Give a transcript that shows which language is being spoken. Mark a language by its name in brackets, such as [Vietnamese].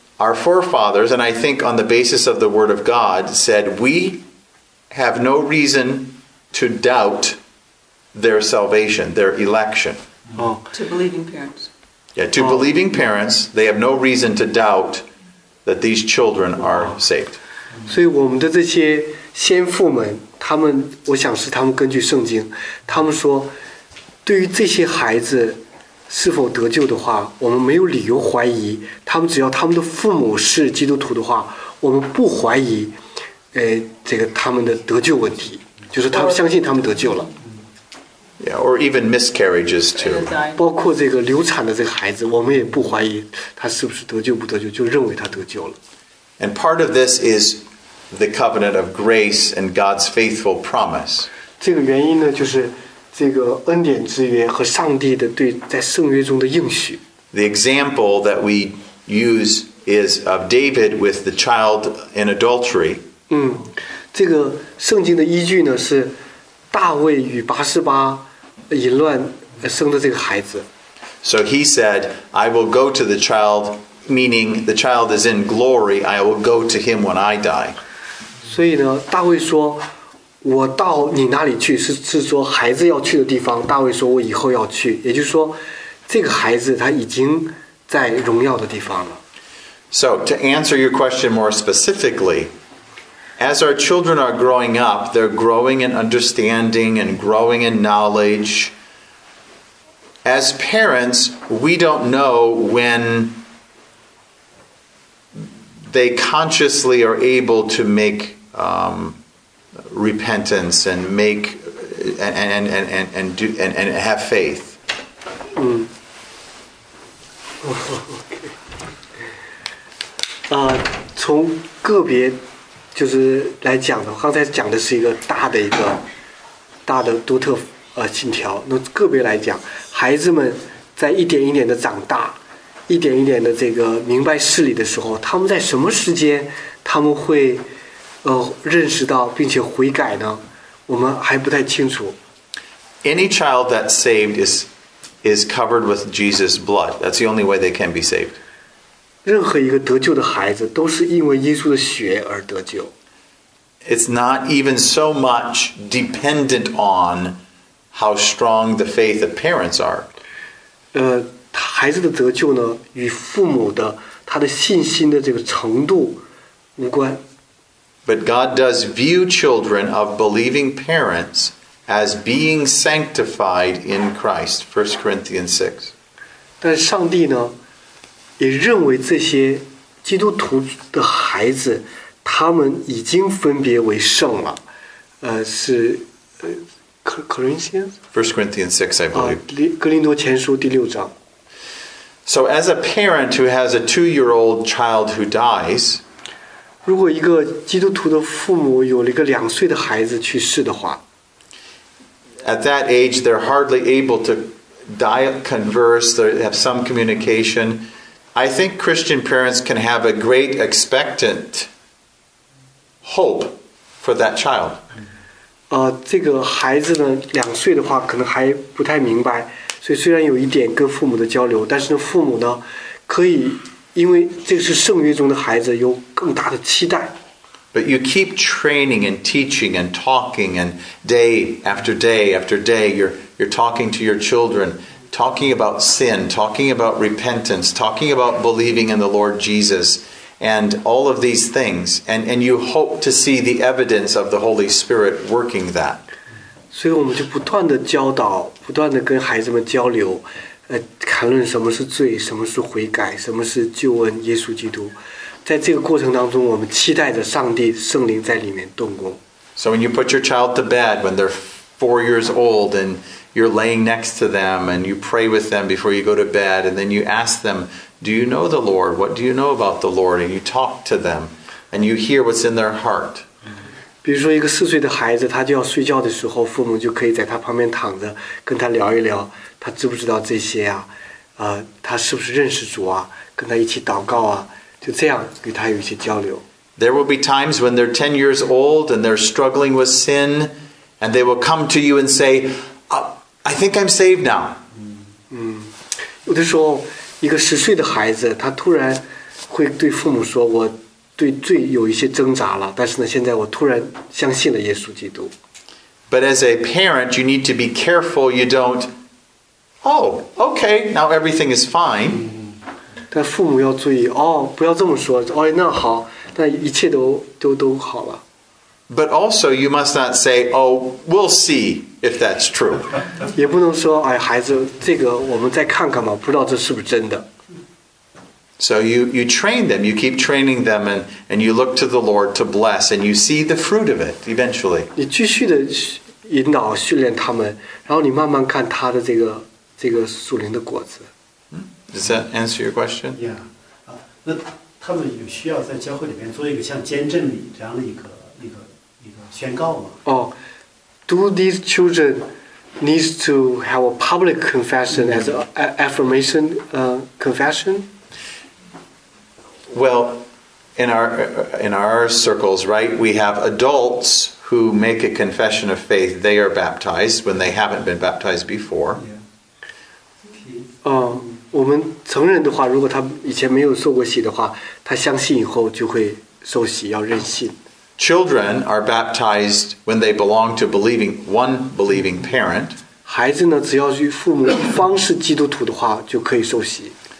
[English] Our forefathers, and I think on the basis of the Word of God, said we have no reason to doubt their salvation, their election. To believing parents. Yeah, to believing parents, they have no reason to doubt that these children are saved. [Chinese] 所以我们的这些先父们，他们，我想是他们根据圣经，他们说，对于这些孩子是否得救的话，我们没有理由怀疑。他们只要他们的父母是基督徒的话，我们不怀疑，这个他们的得救问题，就是他们相信他们得救了。 [English] Yeah, or even miscarriages too. [Chinese] 包括这个流产的这个孩子，我们也不怀疑他是不是得救不得救，就认为他得救了。 [English] And part of this is the covenant of grace and God's faithful promise. [Chinese] 这个原因呢，就是。这个恩典之约和上帝的对在圣约中的应许。 [English] The example that we use is of David with the child in adultery. [Chinese] 这个圣经的依据呢是大卫与八十八淫乱生的这个孩子。 [English] So he said, I will go to the child, meaning the child is in glory, I will go to him when I die. [Chinese] 所以呢大卫说我到你那里去 是说孩子要去的地方大卫说我以后要去也就是说这个孩子他已经在荣耀的地方了 [English] So to answer your question more specifically as our children are growing up they're growing in understanding and growing in knowledge as parents we don't know when they consciously are able to make repentance and make and do and have faith. Okay. [Chinese] 从个别就是来讲的，刚才讲的是一个大的一个大的独特信条。那个别来讲，孩子们在一点一点的长大，一点一点的这个明白事理的时候，他们在什么时间他们会？认识到并且悔改呢，我们还不太清楚。 [English] Any child that's saved is covered with Jesus' blood. That's the only way they can be saved. [Chinese] 任何一个得救的孩子都是因为耶稣的血而得救。 [English] It's not even so much dependent on how strong the faith of parents are. [Chinese] 孩子的得救呢，与父母的他的信心的这个程度无关。 [English] But God does view children of believing parents as being sanctified in Christ, 1 Corinthians 6. [Chinese] 但上帝呢，也认为这些基督徒的孩子，他们已经分别为圣了。是 Corinthians? [English] 1 Corinthians 6, I believe. [Chinese] 哥林多前书第六章。 [English] So as a parent who has a 2-year-old child who dies, [Chinese] 如果一个基督徒的父母有了一个两岁的孩子去世的话 [English] At that age, they're hardly able to converse, they have some communication. I think Christian parents can have a great expectant hope for that child. [Chinese] 这个孩子呢，两岁的话可能还不太明白，所以虽然有一点跟父母的交流，但是呢，父母呢，可以因为这是圣约中的孩子，有更大的期待。 [English] But you keep training and teaching and talking, and day after day after day, you're talking to your children. talking about sin, talking about repentance, talking about believing in the Lord Jesus, and all of these things. And you hope to see the evidence of the Holy Spirit working that. [Chinese] 所以我们就不断地教导，不断地跟孩子们交流，谈论什么是罪，什么是悔改，什么是救恩，耶稣基督。在这个过程当中，我们期待着上帝圣灵在里面动工。 [English] So when you put your child to bed when they're 4 years old and you're laying next to them and you pray with them before you go to bed and then you ask them, do you know the Lord? What do you know about the Lord? And you talk to them and you hear what's in their heart. [Chinese] 比如说一个四岁的孩子他就要睡觉的时候父母就可以在他旁边躺着跟他聊一聊他知不知道这些啊、他是不是认识主啊跟他一起祷告啊就这样与他有一些交流。 [English] There will be times when they're 10 years old and they're struggling with sin and they will come to you and say, I think I'm saved now. [Chinese] 有的时候一个十岁的孩子他突然会对父母说我对罪有一些挣扎了但是呢现在我突然相信了耶稣基督。 [English] But as a parent, you need to be careful you don't, oh, okay, now everything is fine. [Chinese] 但父母要注意哦不要这么说哦那好那一切都好了。 [English] But also you must not say, oh, we'll see if that's true. [Chinese] 也不能说哎孩子这个我们再看看嘛不知道这是不是真的。 [English] So you train them, you keep training them and you look to the Lord to bless and you see the fruit of it eventually. [Chinese] 你继续的引导训练他们然后你慢慢看他的这个属灵的果子。 [English] Does that answer your question? Yeah. [Chinese] 那他们有需要在教会里面做一个像见证礼这样的一个宣告吗？ [English] Oh, do these children need to have a public confession as an affirmation confession? Well, in our circles, right, we have adults who make a confession of faith. They are baptized when they haven't been baptized before. Yeah. Okay. [Chinese] 我们成人的话如果他以前没有受过洗的话他相信以后就会受洗要认信 [English] Children are baptized when they belong to believing one believing parent [Chinese] 孩子呢只要与父母方是基督徒的话就可以受洗